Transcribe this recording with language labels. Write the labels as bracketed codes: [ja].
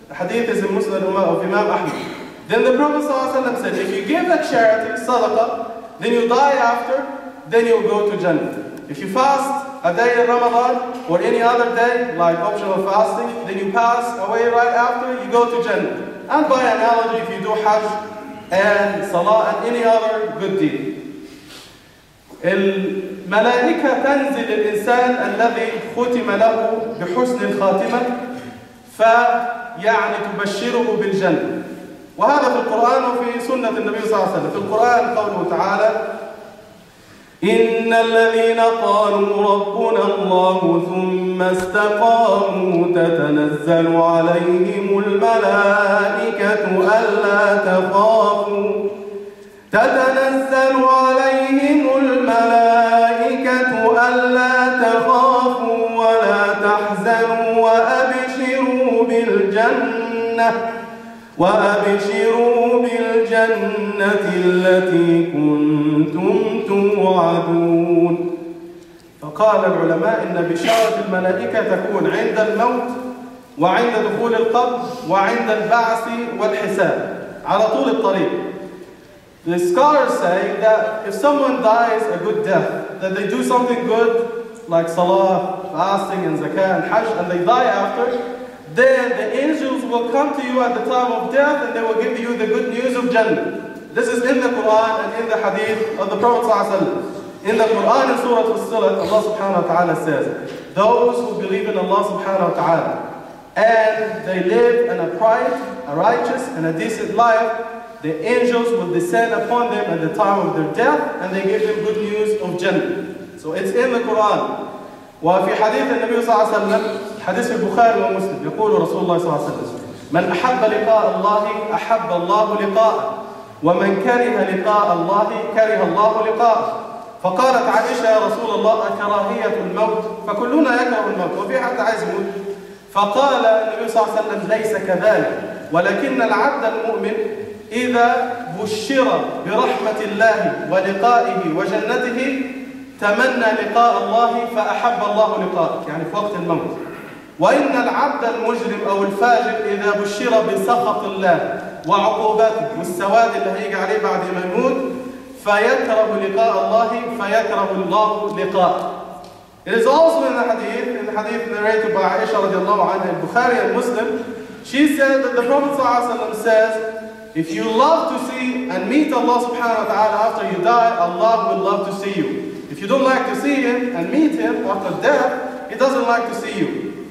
[en] The hadith is in Muslim of Imam Ahmad. Then the Prophet ﷺ said, if you give a charity, sadaqah, then you die after, then you'll go to Jannah. If you fast a day in Ramadan or any other day, like optional fasting, then you pass away right after, you go to Jannah. And by analogy, if you do Hajj and Salah and any other good deed. [ar] الملائكة تنزل الإنسان الذي ختم له بحسن الخاتمة فيعني تبشره بالجنة. وهذا في القرآن وفي سنة النبي صلى الله عليه وسلم. في القرآن قوله تعالى إن الذين قالوا ربنا الله ثم استقاموا تتنزل عليهم الملائكة ألا تخافوا تتنزل عليهم الملائكة ألا تخافوا ولا تحزنوا وأبشروا بالجنة وأبشروا بالجنة التي كنتم توعدون. فقال العلماء إن بشارة الملائكة تكون عند الموت وعند دخول القبر وعند البعث والحساب على طول الطريق. [en] The scholars say that if someone dies a good death, that they do something good like salah, fasting, and zakah, and hajj, and they die after, then the angels will come to you at the time of death and they will give you the good news of Jannah. This is in the Quran and in the hadith of the Prophet. In the Quran in Surah Fussilat, Allah subhanahu wa ta'ala says, those who believe in Allah subhanahu wa ta'ala and they live an upright, a righteous, and a decent life, the angels will descend upon them at the time of their death and they give them good news of Jannah. So it's in the Quran. [ar] وفي حديث النبي صلى الله عليه وسلم حديث البخاري ومسلم يقول رسول الله صلى الله عليه وسلم من أحب لقاء الله أحب الله لقاءه ومن كره لقاء الله كره الله لقاءه. فقالت عائشة يا رسول الله كراهية الموت فكلنا يكره الموت وفي حتى عزمه. فقال النبي صلى الله عليه وسلم ليس كذلك ولكن العبد المؤمن إذا بشر برحمة الله ولقائه وجنته تمنى لقاء الله فأحب الله لقاءك يعني في وقت الموت. وإن العبد المجرم أو الفاجر إذا بشر بسخط الله وعقوبته والسواد اللي هيجي عليه بعد ما يموت فيكره لقاء الله فيكره الله لقاء. [en] It is also in the hadith, narrated by Aisha [ar] رضي الله عنها, [en] Bukhari and Muslim, she said that the Prophet [ar] صلى الله عليه وسلم [en] says, if you love to see and meet Allah subhanahu wa ta'ala after you die, Allah will love to see you. If you don't like to see Him and meet Him after death, He doesn't like to see you.